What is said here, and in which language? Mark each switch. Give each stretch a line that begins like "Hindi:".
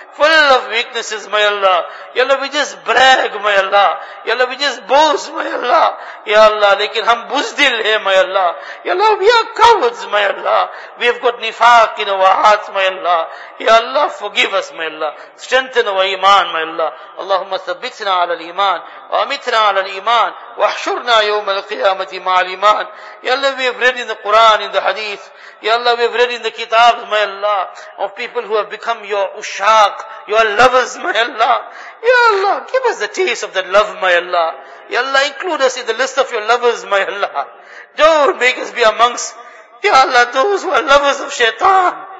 English: Full of weaknesses, my Allah. Ya Allah, we just brag, my Allah. Ya Allah, we just boast, my Allah. Ya Allah,
Urdu: lekin hum buzdil hai,
English: my Allah. Ya Allah, we are cowards, my Allah. We have got nifaq in our hearts, my Allah. Ya Allah, forgive us, my Allah. Strengthen our iman, my Allah.
Arabic: اللهم ثبتنا على الإيمان وأمتنا على الإيمان وحشرنا يوم القيامة مع الإيمان.
English: يا الله, we have read in the Quran, in the Hadith. يا الله, we have read in the Kitabs, my Allah, of people who have become your ushaq, your lovers, my Allah. Ya Allah, give us the taste of that love, my Allah. Ya Allah, include us in the list of your lovers, my Allah. Don't make us be amongst, Ya Allah, those who are lovers of shaitan.